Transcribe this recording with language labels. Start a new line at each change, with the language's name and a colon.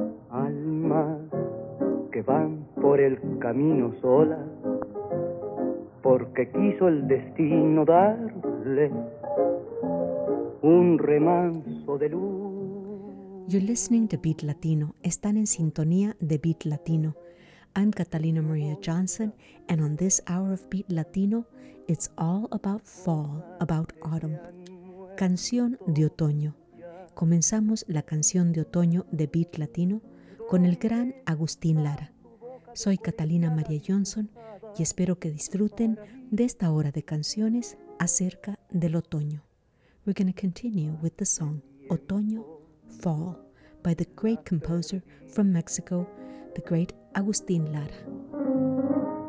Spanish: Almas que van por el camino sola, porque quiso el destino darle un remanso de luz.
English: You're listening to Beat Latino.
Spanish: Están en sintonía de Beat Latino.
English: I'm Catalina Maria Johnson, and on this hour of Beat Latino, it's all about fall, about autumn.
Spanish: Canción de otoño. Comenzamos la canción de otoño de Beat Latino con el gran Agustín Lara. Soy Catalina Maria Johnson y espero que disfruten de esta hora de canciones acerca del otoño.
English: We're going to continue with the song Otoño, Fall, by the great composer from Mexico, the great Agustín Lara.